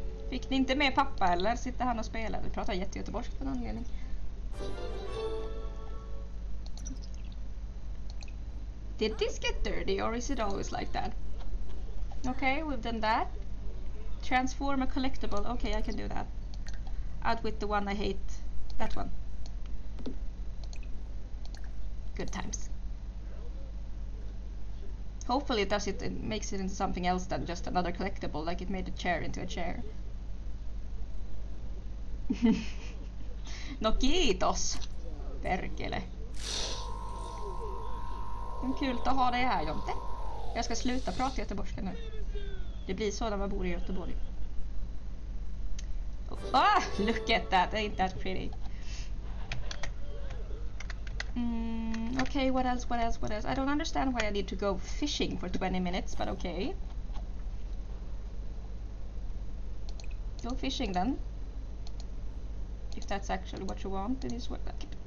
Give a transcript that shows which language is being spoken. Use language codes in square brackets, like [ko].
[sv] Fick ni inte med pappa eller? Sitter han och spelar? Vi pratar jättegöteborgsk på någon anledning. [en] Did this get dirty or is it always like that? Okay, we've done that. Transform a collectible. Okay, I can do that. Out with the one I hate. That one. Good times. Hopefully it makes it into something else than just another collectible, like it made a chair into a chair. [fi] No kiitos, perkele. [sv] Det är kul att ha dig här, Jonte. Jag ska sluta prata göteborgska nu. Det blir så när man bor i Göteborg. [en] Oh, look at that, ain't that pretty. Okay, what else, what else, what else? I don't understand why I need to go fishing for 20 minutes, but okay. Go fishing then. If that's actually what you want, then it's worth it.